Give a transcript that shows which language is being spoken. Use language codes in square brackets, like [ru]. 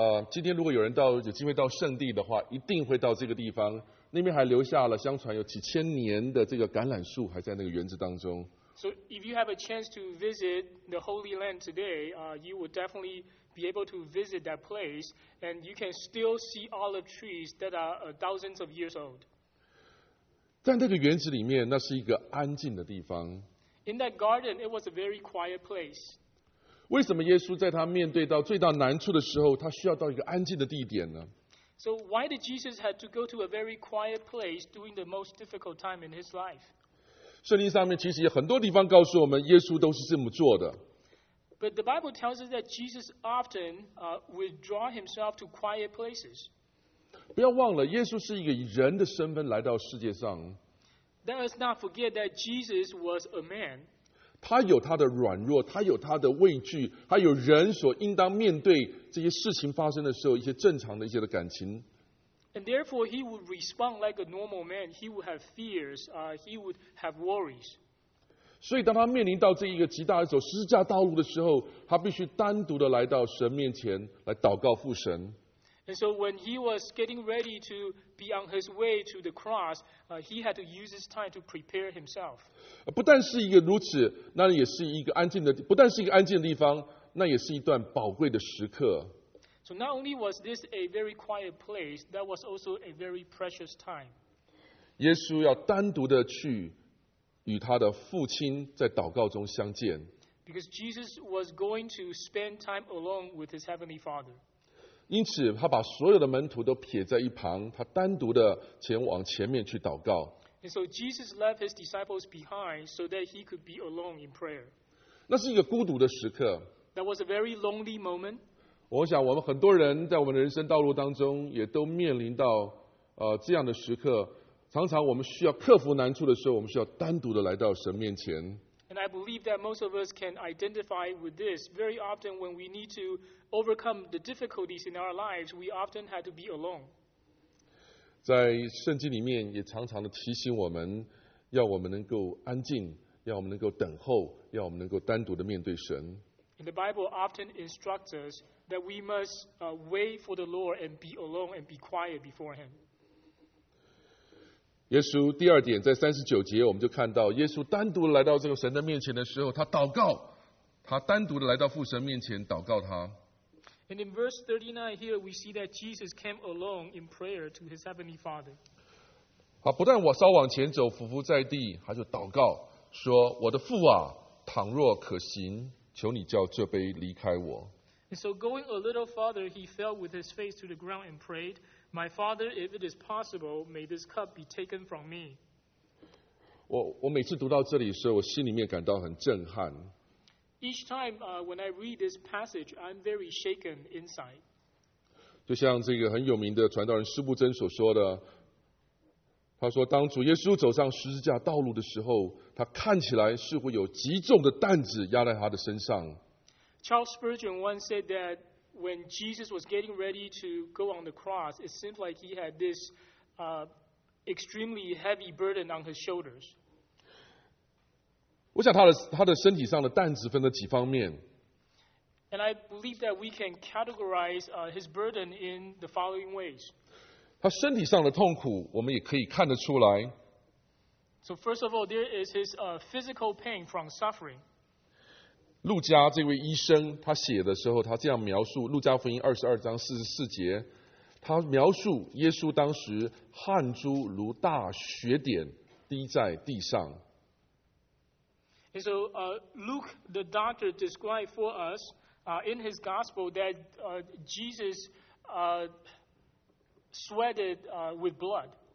[zh] 今天如果有人到有机会到圣地的话，一定会到这个地方。那边还留下了，相传有几千年的这个橄榄树还在那个园子当中。 [en] So if you have a chance to visit the Holy Land today, you would definitely be able to visit that place, and you can still see olive trees that are thousands of years old. [zh] 在那个园子里面，那是一个安静的地方。 [en] In that garden, it was a very quiet place. [zh] 为什么耶稣在他面对到最大难处的时候，他需要到一个安静的地点呢？ [en] So why did Jesus have to go to a very quiet place during the most difficult time in his life? [zh] 圣经上面其实有很多地方告诉我们，耶稣都是这么做的。 [en] But the Bible tells us that Jesus often withdraw himself to quiet places. [zh] 不要忘了，耶稣是一个以人的身份来到世界上。 [en] Let us not forget that Jesus was a man. [zh] 他有他的软弱，他有他的畏惧，他有人所应当面对这些事情发生的时候一些正常的一些的感情。 [en] And therefore he would respond like a normal man. He would have fears. He would have worries. [zh] 所以当他面临到这一个极大的走十字架道路的时候，他必须单独的来到神面前来祷告父神。 [en] And so when he was getting ready to be on his way to the cross, he had to use his time to prepare himself. [zh] 不但是一个如此，那也是一个安静的，不但是一个安静的地方，那也是一段宝贵的时刻。 [en] So not only was this a very quiet place, that was also a very precious time. [zh] 耶稣要单独的去与他的父亲在祷告中相见。 [en] Because Jesus was going to spend time alone with his heavenly Father. [zh] 因此，他把所有的门徒都撇在一旁，他单独的前往前面去祷告。 [en] And so Jesus left his disciples behind so that he could be alone in prayer. [zh] 那是一个孤独的时刻。 [en] That was a very lonely moment. [zh] 我想，我们很多人在我们的人生道路当中，也都面临到这样的时刻。常常我们需要克服难处的时候，我们需要单独的来到神面前。 [en] And I believe that most of us can identify with this. Very often when we need to overcome the difficulties in our lives, we often had to be alone. [zh] 在圣经里面也常常的提醒我们，要我们能够安静，要我们能够等候，要我们能够单独的面对神。 [en] And the Bible often instructs us that we must wait for the Lord and be alone and be quiet before him. [zh] 耶稣第二点在三十九节我们就看到耶稣单独来到这个神的面前的时候他祷告他单独的来到父神面前祷告他。 [en] And in verse 39 here we see that Jesus came alone in prayer to his heavenly Father. [zh] 好不但我稍往前走伏伏在地他就祷告说我的父啊倘若可行求你叫这杯离开我。 [en] And so going a little farther, he fell with his face to the ground and prayed, My Father, if it is possible, may this cup be taken from me. [zh] 我每次读到这里的时候，我心里面感到很震撼。 [en] Each time when I read this passage, I'm very shaken inside. [zh] 就像这个很有名的传道人施布真所说的，他说当主耶稣走上十字架道路的时候，他看起来似乎有极重的担子压在他的身上。 [en] Charles Spurgeon once said that when Jesus was getting ready to go on the cross, it seemed like he had this extremely heavy burden on his shoulders. [zh] 我想他的身体上的担子分了几方面。 [en] And I believe that we can categorize his burden in the following ways. [zh] 他身体上的痛苦，我们也可以看得出来。 [en] So first of all, there is his physical pain from suffering. [zh] 路加这位医生他写的时候他这样描述路加福音22章44节他描述耶稣当时汗珠如大雪点滴在地上。 [en] And so Luke the doctor described for us in his gospel that Jesus sweated with blood.